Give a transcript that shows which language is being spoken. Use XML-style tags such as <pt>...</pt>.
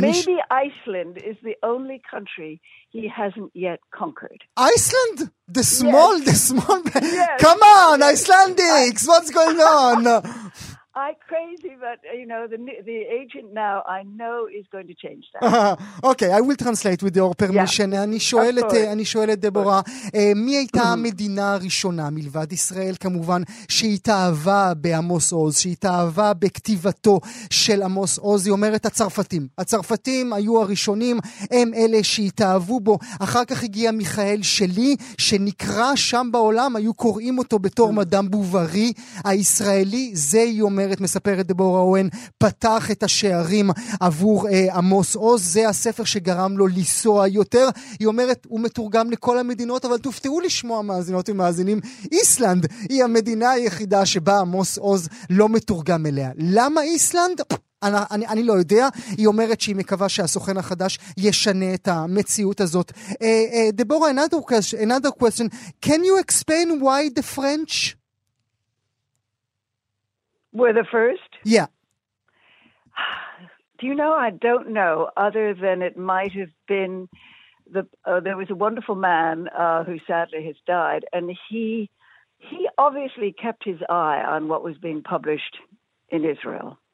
<en>Maybe Iceland is the only country he hasn't yet conquered. Iceland? The small? Yes. Come on, Icelandics, what's going on? I'm crazy, but, you know, the agent now, I know, is going to change that. Okay, I will translate with your permission. Yeah.</en> <he>אני שואלת דבורה, מי הייתה המדינה הראשונה מלבד ישראל, כמובן, שהתאהבה בעמוס עוז, שהתאהבה בכתיבתו של עמוס עוז? היא אומרת, הצרפתים. הצרפתים היו הראשונים, הם אלה שהתאהבו בו. אחר כך הגיע מיכאל שלי, שנקרא שם בעולם, היו קוראים אותו בתור מדאם בוברי הישראלי, זה יום. אומרת, מספרת דבורה אוהן, פתח את השערים עבור עמוס עוז, זה הספר שגרם לו לנסוע יותר. היא אומרת, הוא מתורגם לכל המדינות, אבל תופתעו לשמוע מאזינות ומאזינים, איסלנד היא המדינה היחידה שבה עמוס עוז לא מתורגם אליה. למה איסלנד? אני לא יודע. היא אומרת שהיא מקווה שהסוכן החדש ישנה את המציאות הזאת.</he> <en>דבורה, another question, can you explain why the French were the first? Yeah. Do you know, I don't know, other than it might have been there was a wonderful man who sadly has died, and he obviously kept his eye on what was being published in Israel.</en>